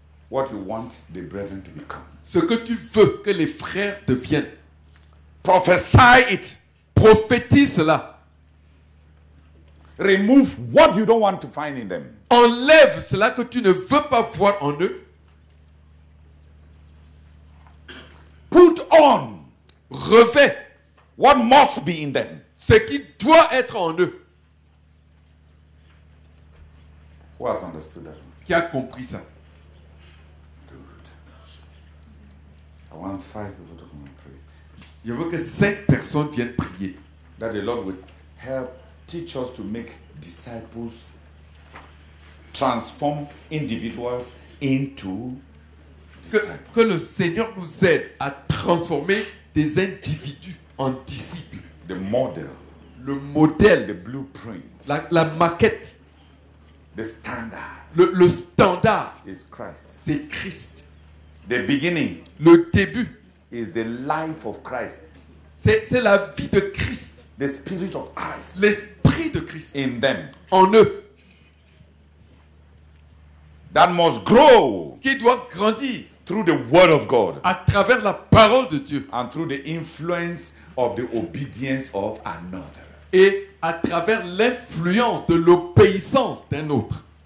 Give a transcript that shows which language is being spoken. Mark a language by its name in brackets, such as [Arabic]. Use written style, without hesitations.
[English] What you want the brethren to become. [French] Ce que tu veux que les frères deviennent. [English] Prophesy it. [French] Prophétise cela. [English] Remove what you don't want to find in them. [French] Enlève cela que tu ne veux pas voir en eux. [English] Put on. [French] Revêt [English] what must be in them. [French] Ce qui doit être en eux. [English] Who has understood that? [French] Qui a compris ça? [English] Good. I want five people to come and pray. [French] Je veux que 5 personnes viennent prier. [English] That the Lord would help teach us to make disciples, transform individuals into disciples. [French] Que le Seigneur nous aide à transformer des individus en disciples. [English] The model. [French] Le modèle. [English] The blueprint. [French] La maquette. [English] The standard. [French] Le standard. [English] Is Christ. [French] C'est Christ. [English] The beginning. [French] Le début. [English] Is the life of Christ. [French] C'est la vie de Christ. [English] The spirit of Christ. [French] L'esprit de Christ. [English] In them. [French] En eux. [English] That must grow. [French] Qui doit grandir. [English] Through the word of God, [French] à travers la parole de Dieu, [English] and through the influence of the obedience of another, [French] et à travers l'influence de l'obéissance d'un autre.